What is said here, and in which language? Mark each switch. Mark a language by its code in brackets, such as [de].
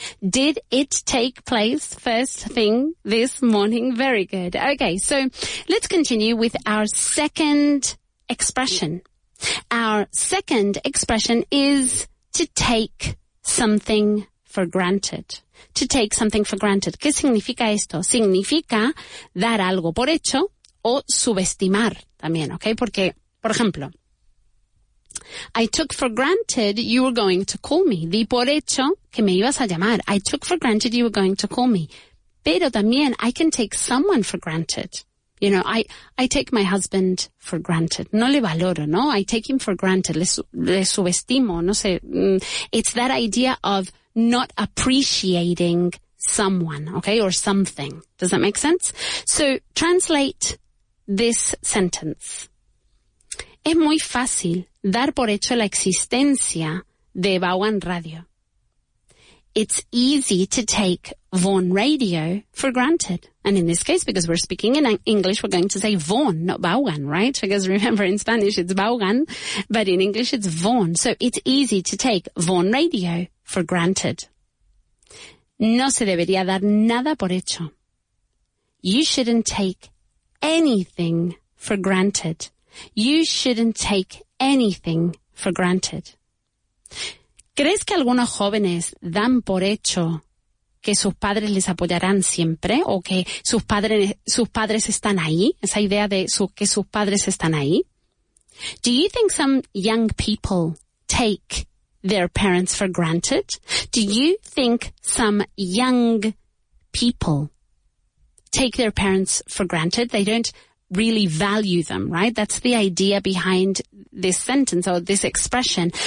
[en] Did it take place first thing this morning? Very good. Okay, so let's continue with our second expression. Our second expression is to take something for granted. To take something for granted. [es] ¿Qué significa esto? Significa dar algo por hecho o subestimar también, okay? Porque, por ejemplo, [en] I took for granted you were going to call me. [es] Di por hecho que me ibas a llamar. [en] I took for granted you were going to call me. [es] Pero también [en] I can take someone for granted. You know, I take my husband for granted. [es] No le valoro, ¿no? [en] I take him for granted. [es] Le subestimo, no sé. [en] It's that idea of not appreciating someone, okay, or something. Does that make sense? So translate this sentence. [es] Es muy fácil dar por hecho la existencia de Bawan Radio. [en] It's easy to take Vaughan Radio for granted. And in this case, because we're speaking in English, we're going to say Vaughan, not Bawan, right? Because remember, in Spanish, it's Bawan, but in English, it's Vaughan. So it's easy to take Vaughan Radio for granted. [es] No se debería dar nada por hecho. [en] You shouldn't take anything for granted. You shouldn't take anything for granted. [es] ¿Crees que algunos jóvenes dan por hecho que sus padres les apoyarán siempre o que sus padres están ahí? Esa idea de que sus padres están ahí. [en] Do you think some young people take their parents for granted? Do you think some young people take their parents for granted? They don't really value them, right? That's the idea behind this sentence or this expression.